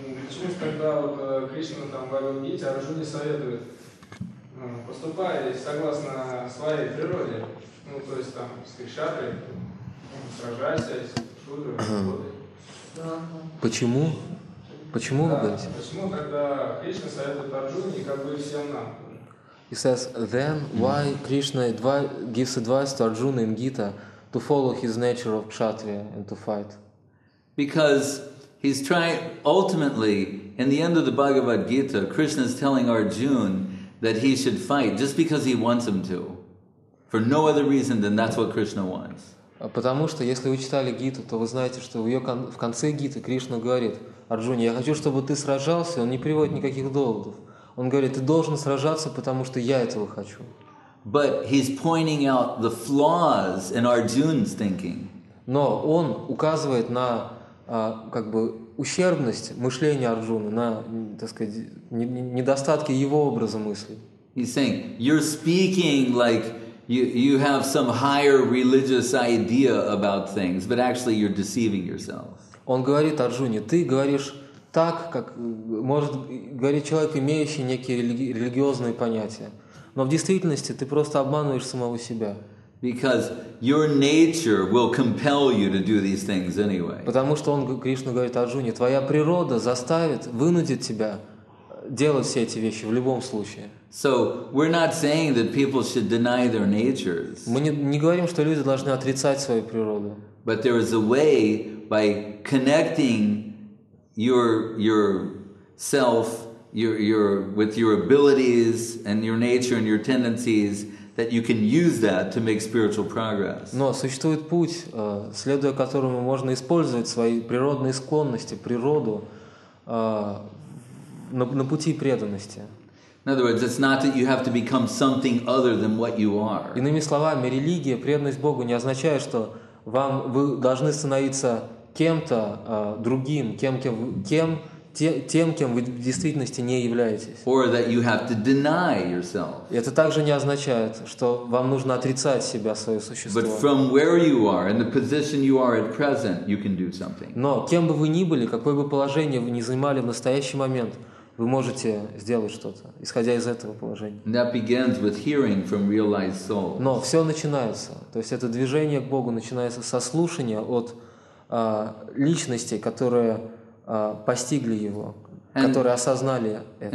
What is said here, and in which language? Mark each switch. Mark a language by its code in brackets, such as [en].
[ru] Если почему же тогда вот Кришна там говорил, идите, Арджуне советует, поступай согласно своей природе, ну то есть там с Кришатой, сражайся, с Шудрой, работай. Почему? Почему вы говорите? Почему тогда Кришна советует Арджуне, как бы и всем нам? [en] He says, then why Krishna gives advice to Arjuna in Gita to follow his nature of Kshatriya and to fight? Because he's trying, ultimately, in the end of the Bhagavad Gita, Krishna is telling Arjuna that he should fight just because he wants him to. For no other reason than that's what Krishna wants. [ru] Потому что, если вы читали Гиту, то вы знаете, что в конце Гиты Кришна говорит, Арджуне, я хочу, чтобы ты сражался, он не приводит никаких доводов. Он говорит, ты должен сражаться, потому что я этого хочу. [en] But he's pointing out the flaws in Arjuna's thinking. [ru] Но он указывает на как бы ущербность мышления Арджуны, на, так сказать, недостатки его образа мысли. [en] He's saying, you're speaking like you have some higher religious idea about things, but actually you're deceiving yourself. [ru] Он говорит Арджуне, ты говоришь так, как может говорить человек, имеющий некие религиозные понятия, но в действительности ты просто обманываешь самого себя. [en] Because your nature will compel you to do these things anyway. [ru] Потому что он Кришна говорит Арджуне, твоя природа заставит, вынудит тебя делать все эти вещи в любом случае. [en] So we're not saying that people should deny their natures. [ru] Мы не говорим, что люди должны отрицать свою природу. [en] But there is a way by connecting yourself, your with your abilities and your nature and your tendencies that you can use that to make spiritual progress. [ru] Но существует путь, следуя которому можно использовать свои природные склонности, природу на пути преданности. [en] In other words, it's not that you have to become something other than what you are. [ru] Иными словами, религия, преданность Богу не означает, что вам вы должны становиться кем-то другим, тем, кем вы в действительности не являетесь. [en] Or that you have to deny yourself. [ru] Это также не означает, что вам нужно отрицать себя, свое существо. [en] But from where you are and the position you are at present, you can do something. [ru] Но кем бы вы ни были, какое бы положение вы ни занимали в настоящий момент, вы можете сделать что-то, исходя из этого положения. [en] And that begins with hearing from realized souls. [ru] Но все начинается, то есть это движение к Богу начинается со слушания от личности, которые постигли его, которые осознали это.